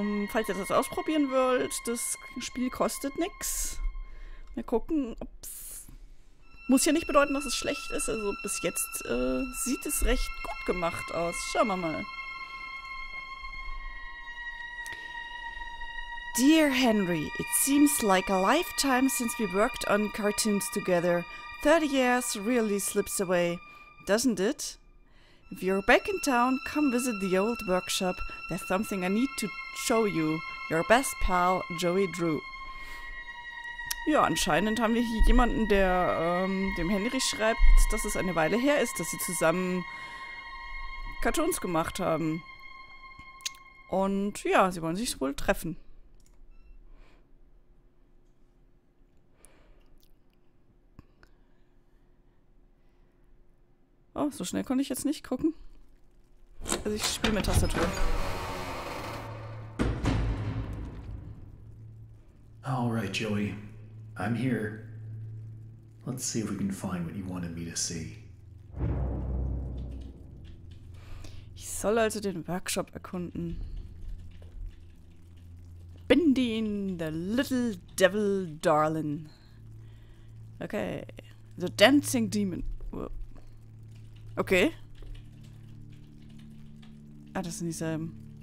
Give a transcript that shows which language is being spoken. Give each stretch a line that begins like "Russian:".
German: falls ihr das ausprobieren wollt, das Spiel kostet nichts. Mal gucken, ob's... Muss ja nicht bedeuten, dass es schlecht ist. Also bis jetzt sieht es recht gut gemacht aus. Schauen wir mal.
English: Dear Henry, it seems like a lifetime since we worked on cartoons together. 30 years really slips away, doesn't it? If you're back in town, come visit the old workshop. There's something I need to show you. Your best pal, Joey Drew.
German: Ja, anscheinend haben wir hier jemanden, der dem Henry schreibt, dass es eine Weile her ist, dass sie zusammen Cartoons gemacht haben. Und ja, sie wollen sich wohl treffen. Oh, so schnell konnte ich jetzt nicht gucken. Also ich spiele mit Tastatur.
English: All right, Joey. I'm here. Let's see if we can find what you wanted me to see.
German: Ich soll also den Workshop erkunden.
English: Bendy and the Little Devil Darling. Okay. The Dancing Demon. Whoa. Okay.
German: Ah, das sind dieselben.